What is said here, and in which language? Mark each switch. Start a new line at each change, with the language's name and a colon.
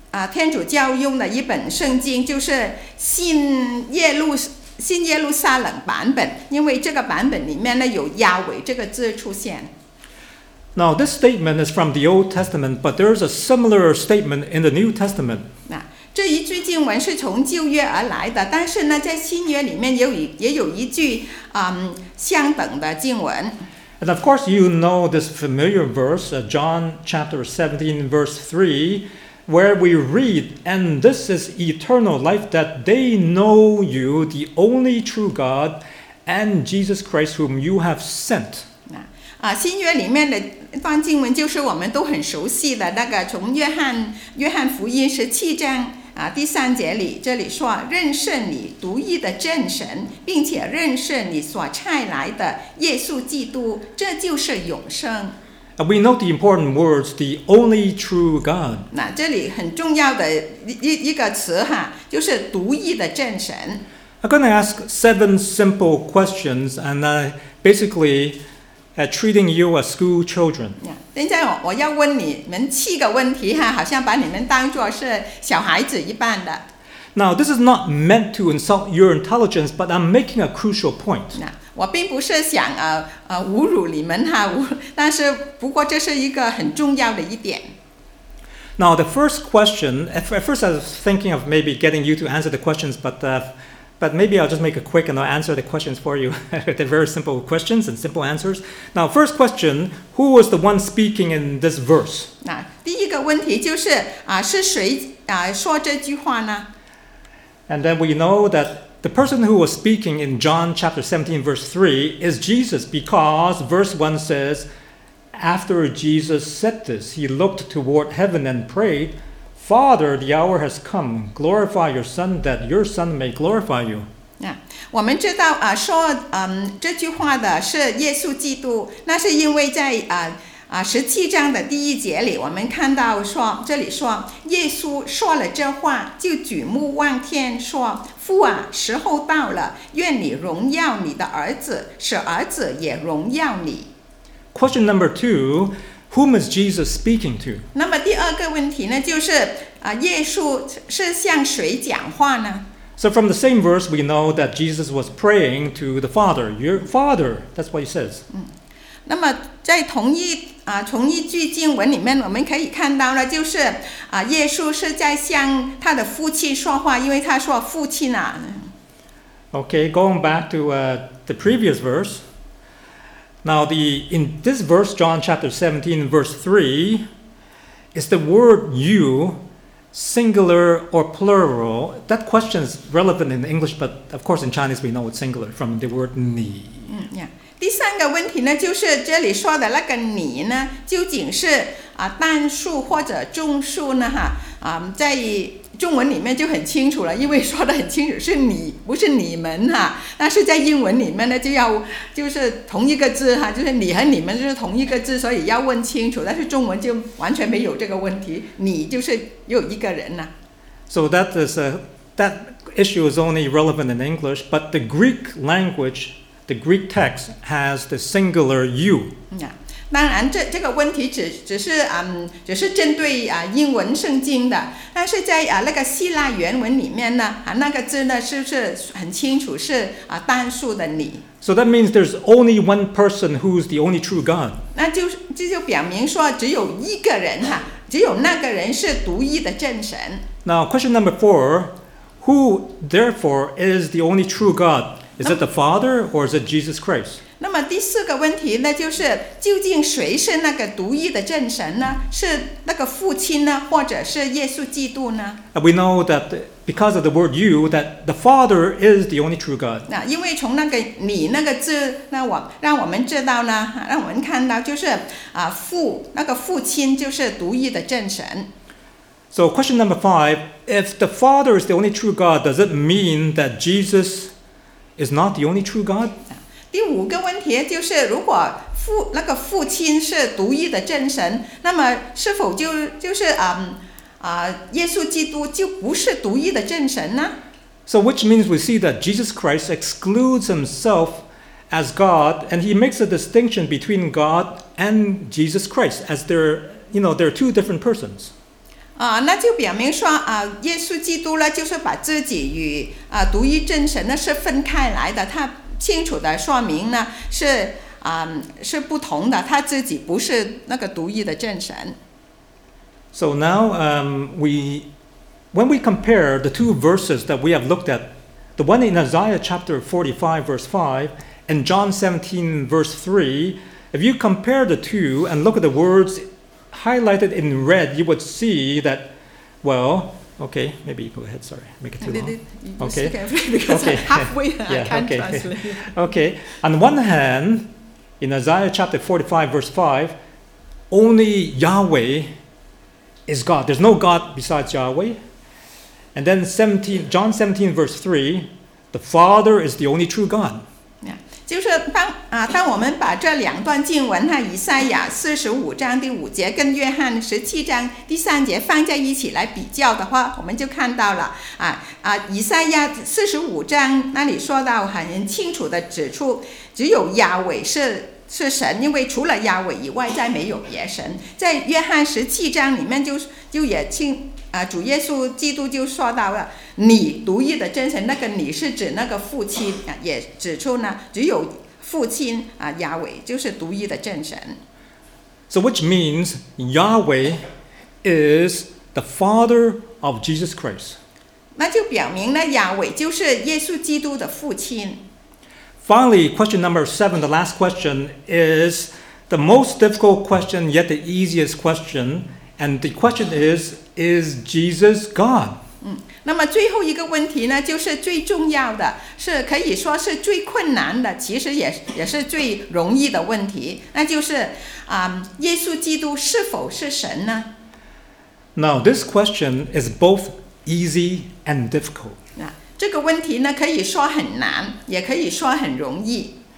Chinese: 天主教用的一本圣经就是新耶路撒冷版本，因为这个版本里面呢有亚伟这个字出现。
English: Now this statement is from the Old Testament, but there is a similar statement in the New Testament.
Chinese: 这一句经文是从旧约而来的，但是呢在新约里面也有一句相等的经文。
English: And of course you know this familiar verse, John chapter 17 verse 3,Where we read, and this is eternal life, that they know you, the only true God, and Jesus Christ whom you have sent.
Chinese: 新约里面的一段经文就是我们都很熟悉的那个，从约翰福音十七章第三节里，这里说认识你独一的真神，并且认识你所差来的耶稣基督，这就是永生。
English: We note the important words, the only true God.
Chinese: 那这里很重要的一个词哈，就是独一的真神。
English: I'm going to ask seven simple questions, and basically, treating you as school children. Yeah.
Chinese: 等一下我要问你们七个问题哈，好像把你们当作是小孩子一般的。
English: Now, this is not meant to insult your intelligence, but I'm making a crucial point. Yeah.
Chinese: 我并不是想侮辱你们哈，但是不过这是一个很重要的一点。
English: Now, the first question, at first I was thinking of maybe getting you to answer the questions, but maybe I'll just make it quick and I'll answer the questions for you. They're very simple questions and simple answers. Now, first question, who was the one speaking in this verse?
Chinese: 那第一个问题就是是谁说这句话呢？
English: And then we know that the person who was speaking in John chapter 17 verse 3 is Jesus, because verse 1 says, after Jesus said this, he looked toward heaven and prayed, Father, the hour has come. Glorify your Son, that your Son may glorify you. Yeah.
Chinese: 我们知道说这句话的是耶稣基督，那是因为在十七章的第一节里，我们看到说，这里说耶稣说了这话，就举目望天说，父啊，时候到了，愿你荣耀你的儿子，使儿子也荣耀你。
English: Question number two,Whom is Jesus speaking to?
Chinese: 那么第二个问题呢，就是耶稣是向谁讲话呢？
English: So from the same verse, we know that Jesus was praying to the Father. Your Father, that's what he says.
Chinese: 那么在同一句经文里面，我们可以看到了，就是耶稣是在向他的父亲说话，因为他说父亲啊。
English: Okay, going back to the previous verse. Now, in this verse, John chapter 17, verse 3, is the word you singular or plural? That question is relevant in English, but of course in Chinese we know it's singular from the word 你. Yeah.
Chinese: 第三个问题呢，就是这里说的那个你呢，究竟是单数或者众数呢？在中文里面就很清楚了，因为说得很清楚是你，不是你们哈。但是在英文里面呢，就是同一个字哈，就是你和你们就是同一个字，所以要问清楚。但是中文就完全没有这个问题，你就是有一个人呐。
English: So that is that issue is only relevant in English, but the Greek language, the Greek text has the singular you. Yeah.
Chinese: 当然这个问题只是针对英文圣经的，但是在那个希腊原文里面呢那个字呢是不是很清楚是单数的你。
English: So that means there's only one person who's the only true God.
Chinese: 那就表明说只有一个人哈，只有那个人是独一的真神。
English: Now question number four, who therefore is the only true God? Is it the Father or is it Jesus Christ?
Chinese: 那么第四个问题呢，就是究竟谁是那个独一的真神呢？是那个父亲呢，或者是耶稣基督呢？
English: We know that because of the word you, that the Father is the only true God.
Chinese: 那因为从那个你那个字，那我让我们知道呢，让我们看到就是那个父亲就是独一的真神。
English: So question number five, if the Father is the only true God, does it mean that Jesus is not the only true God?
Chinese: 第五个问题就是，如果那个父亲是独一的真神，那么是否就是耶稣基督就不是独一的真神呢？
English: So which means we see that Jesus Christ excludes himself as God, and he makes a distinction between God and Jesus Christ as they're, you know, they're two different persons.
Chinese: 那就表明说耶稣基督呢，就是把自己与独一真神呢是分开来的，他。清楚的说明呢是不同的，他自己不是那个独一的真神。
English: So now, when we compare the two verses that we have looked at, the one in Isaiah chapter 45 verse 5 and John 17 verse 3, if you compare the two and look at the words highlighted in red, you would see that, well,Okay, maybe you go ahead. Sorry, make it too long. Okay, because okay. I'm halfway, yeah, I can't translate. Okay, on one hand, in Isaiah chapter 45, verse 5, only Yahweh is God. There's no God besides Yahweh. And then John 17, verse 3, the Father is the only true God.
Chinese: 就是 当我们把这两段经文和以赛亚45章第5节跟约翰17章第3节放在一起来比较的话，我们就看到了以赛亚45章那里说到很清楚的指出，只有亚伟 是神，因为除了亚伟以外再没有别神。在约翰17章里面 就也清主耶稣基督就说到了，你独一的真神，那个你是指那个父亲，也指出呢，只有父亲亚伟就是独一的真神。
English: So which means Yahweh is the father of Jesus Christ.
Chinese: 那就表明了亚伟就是耶稣基督的父亲。
English: Finally, question number 7, the last question, is the most difficult question, yet the easiest question. And the question is Jesus God?
Chinese: 那么最后一个问题呢，就是最重要的，是可以说是最困难的，其实也是最容易的问题，那就是耶稣基督是否是神呢？
English: Now, this question is both easy and difficult.
Chinese: 这个问题呢，可以说很难，也可以说很容易。